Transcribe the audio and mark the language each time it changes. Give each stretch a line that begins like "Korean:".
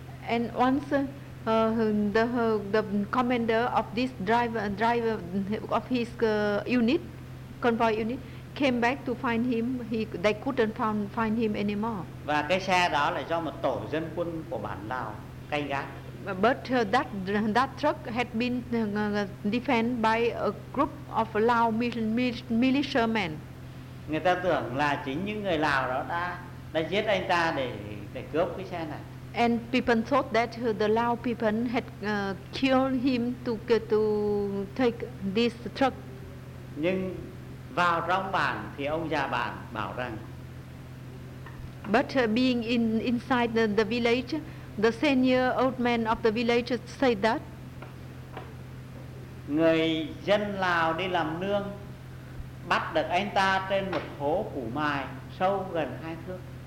English: And once the commander of this driver of his unit, convoy unit, came back to find him, they couldn't find him anymore.
Vietnamese: Và cái xe đó là do một tổ dân quân của bản Lào canh gác.
English: But that truck had been defended by a group of Lao militiamen.
Vietnamese: Người ta tưởng là chính những người Lào đó đã giết anh ta để cướp cái xe này.
English: And people thought that the Lao people had killed him to take this truck.
Vietnamese: Nhưng vào trong bản thì ông già bản bảo rằng.
English: But being inside the village, the senior old man of the village said that.
Vietnamese: Người dân Lào đi làm nương bắt được anh ta trên một hố củ mài sâu gần 2 thước.